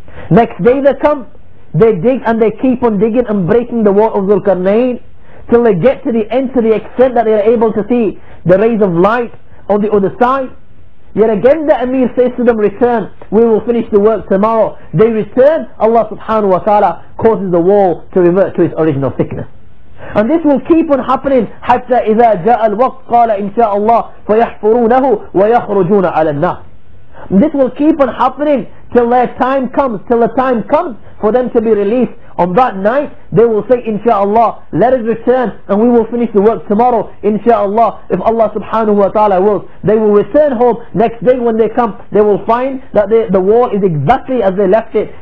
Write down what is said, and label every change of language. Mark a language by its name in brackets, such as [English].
[English] Next day they come, they dig and they keep on digging and breaking the wall of Dhulqarnayn till they get to the end, to the extent that they are able to see the rays of light on the other side. Yet again the Amir says to them, return, we will finish the work tomorrow. They return, Allah subhanahu wa ta'ala causes the wall to revert to its original thickness. And this will keep on happening, [Arabic] حتى إذا جاء الوقت قال إن شاء الله فيحفرونه ويخرجون على الناس. [English] This will keep on happening till the time comes for them to be released. On that night, they will say, Insha'Allah, let us return and we will finish the work tomorrow, Insha'Allah, if Allah subhanahu wa ta'ala wills. They will return home. Next day when they come, they will find that the wall is exactly as they left it.